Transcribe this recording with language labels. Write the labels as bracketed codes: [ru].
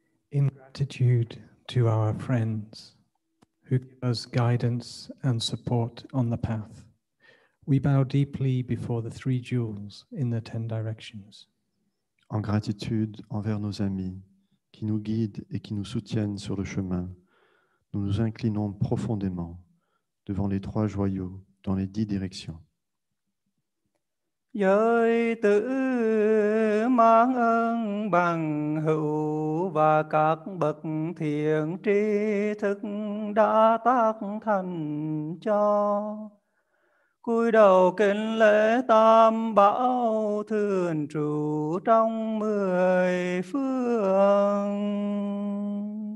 [en] In gratitude to our friends who give us guidance and support on the path, we bow deeply before the three jewels in the ten directions. [fr] En gratitude envers nos amis qui nous guident et qui nous soutiennent sur le chemin, nous nous inclinons profondément devant les trois joyaux dans les dix directions. [vi] Giới tự mang ơn bằng hữu và các bậc thiện tri thức đã tác thành cho cúi đầu kính lễ tam bảo thường trụ trong mười phương.